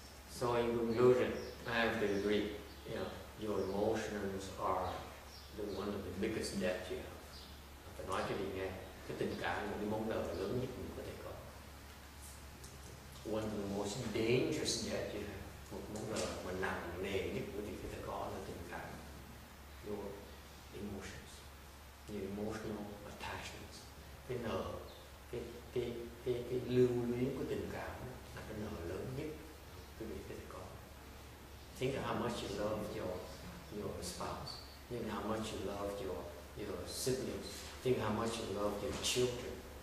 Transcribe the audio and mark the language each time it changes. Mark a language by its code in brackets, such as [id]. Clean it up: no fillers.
[en] So in conclusion, I have to agree, you know, your emotions are the one of the biggest debt you have. [vi] Phải nói cho mình nghe, cái tình cảm là cái món nợ lớn nhất mình có thể có. [en] One of the most dangerous debt you have. [vi] Một món nợ mà nặng nề nhất của mình có thể có là tình cảm. [en] Your emotions. Your emotional attachments. [vi] Cái nợ, cái lưu luyến của tình cảm đó, là cái nợ lớn nhất của mình có thể có. [en] Think of how much you love your spouse. Think of how much you love your siblings. Think of how much you love your children.